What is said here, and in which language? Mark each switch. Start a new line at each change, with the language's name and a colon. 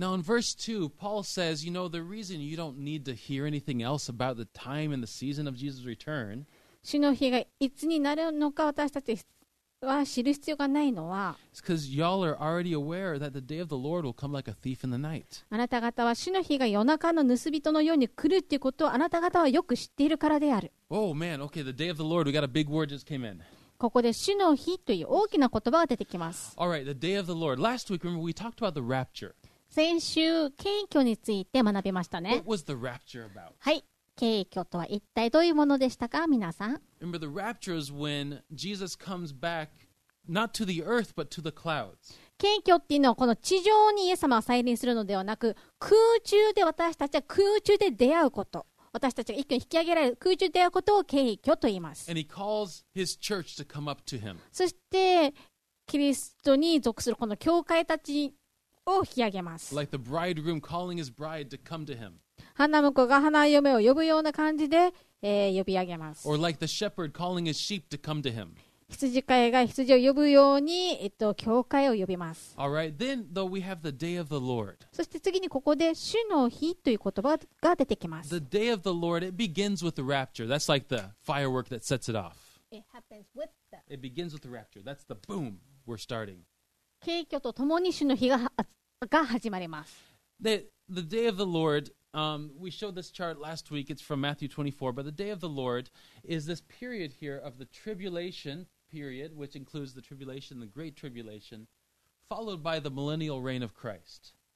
English: Now in verse 2, Paul says, you know, the reason you don't need to hear anything else about the time and the season of Jesus' return.
Japanese: 主の日がいつになるのか私たちは知る必要がないのは、
English: It's because y'all are already aware that the day of the Lord will come like a thief in the night.
Japanese: あなた方は主の日が夜中の盗人のように来るっていうことをあなた方はよく知っているからである。
English: Oh man, okay, the day of the Lord, we got a big word just came in.
Japanese: ここで主の日という大きな言葉が出てきます。
English: All right, the day of the Lord. Last week, remember, we talked about the rapture.
Japanese: 先週、謙虚について学びましたね。
English: What was the rapture about?
Japanese: はい。景気とは一体どういうものでしたか、皆さん。
English: Remember the rapture is when Jesus comes back, not to the earth, but to the clouds.
Japanese: 景気っていうのはこの地上にイエス様を再臨するのではなく、空中で私たちは空中で出会うこと、私たちが一挙に引き上げられる空中で出会うことを景気と言います。
English: And he calls his church to come up to him.
Japanese: そしてキリストに属するこの教会たちを引き上げます。
English: Like the bridegroom calling his bride to come to him.
Japanese: 花婿が花嫁を呼ぶような感じで、呼び上げます。
English: Or like the shepherd calling his sheep to come to him.
Japanese: 羊飼いが羊を呼ぶように、教会を呼びます。
English: All right. Then, though, we have the day of the Lord.
Japanese: そして次にここで主の日という言葉が出てきます。
English: The day of the Lord, it begins with the rapture. That's like the firework that sets it off. It begins with the rapture. That's the boom we're starting.
Japanese: 景気とともに主の日 が始まります。
English: The day of the Lord,we showed this chart last week. It's from Matthew 24. But the day of the Lord is this period here of the tribulation period, which includes the tribulation, the great tribulation, followed by the millennial reign of Christ.